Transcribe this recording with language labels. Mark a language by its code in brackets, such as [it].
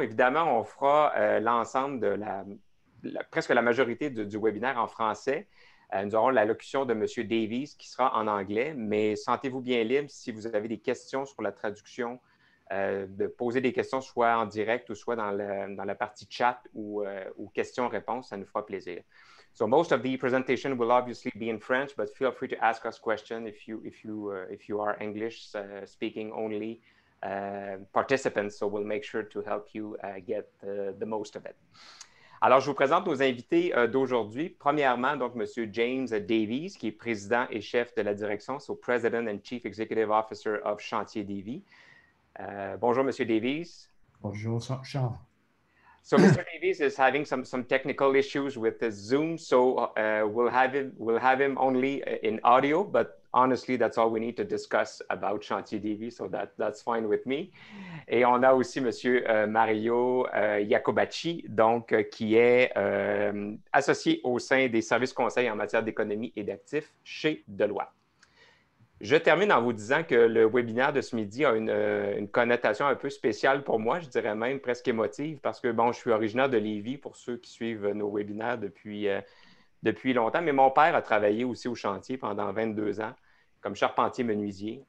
[fr] Évidemment, on fera l'ensemble de presque la majorité du webinaire en français. Nous aurons l'allocution de M. Davies qui sera en anglais, mais sentez-vous bien libre si vous avez des questions sur la traduction. De poser des questions soit en direct ou soit dans la partie chat ou questions-réponses, ça nous fera plaisir. [en] So most of the presentation will obviously be in French, but feel free to ask us questions if you are English speaking only participants. So we'll make sure to help you get the most of it. [fr] Alors, je vous présente nos invités d'aujourd'hui. Premièrement, donc, Monsieur James Davies, qui est président et chef de la direction, [en] so President and Chief Executive Officer of Chantier Davies. [fr] Bonjour, Monsieur Davies. Bonjour, Charles. [en] So, Mr. Davies is having some technical issues with his Zoom, so we'll have him only in audio. But honestly, that's all we need to discuss about Chantier Davies, so that's fine with me. [fr] Et on a aussi Monsieur Mario Iacobacci, donc qui est associé au sein des services conseils en matière d'économie et d'actifs chez Deloitte. Je termine en vous disant que le webinaire de ce midi a une connotation un peu spéciale pour moi, je dirais même presque émotive, parce que bon, je suis originaire de Lévis, pour ceux qui suivent nos webinaires depuis longtemps, mais mon père a travaillé aussi au chantier pendant 22 ans comme charpentier-menuisier.